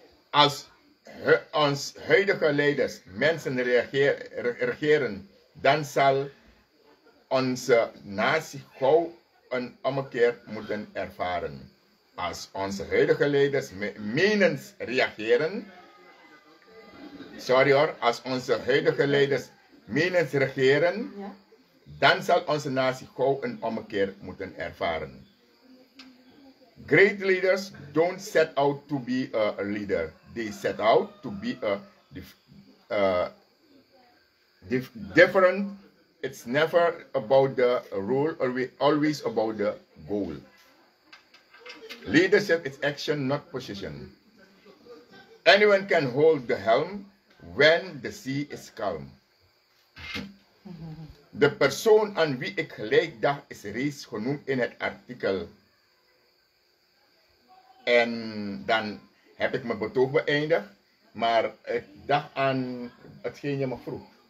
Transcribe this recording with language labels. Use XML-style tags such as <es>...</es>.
<nl>Als ons huidige leiders mensen regeren, dan zal onze natie gauw een ommekeer moeten ervaren. Als onze huidige leiders menens reageren, als onze huidige leiders menens regeren, dan zal onze natie gauw een ommekeer moeten ervaren.</nl> <en>Great leaders don't set out to be a leader. They set out to be a different. It's never about the role, always about the goal. Leadership is action, not position. Anyone can hold the helm when the sea is calm.</en> <nl>De persoon aan wie ik gelijk dacht is reeds genoemd in het artikel. En dan heb ik mijn betoog beëindigd, maar ik dacht aan hetgeen je me vroeg.</nl>